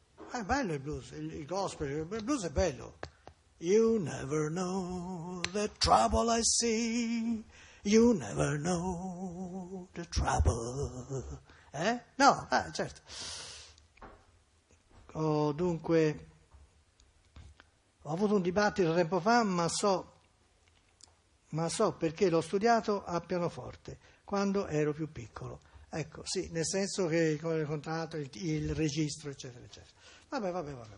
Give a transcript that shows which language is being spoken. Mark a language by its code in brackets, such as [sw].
[it] È bello il blues, il gospel, il blues è bello. [en] You never know the trouble I see, you never know the trouble, eh? [it] No, ah, certo. Oh, dunque, ho avuto un dibattito tempo fa, ma so perché l'ho studiato a pianoforte quando ero più piccolo. Ecco, sì, nel senso che il contratto, il registro, eccetera, eccetera. Vabbè.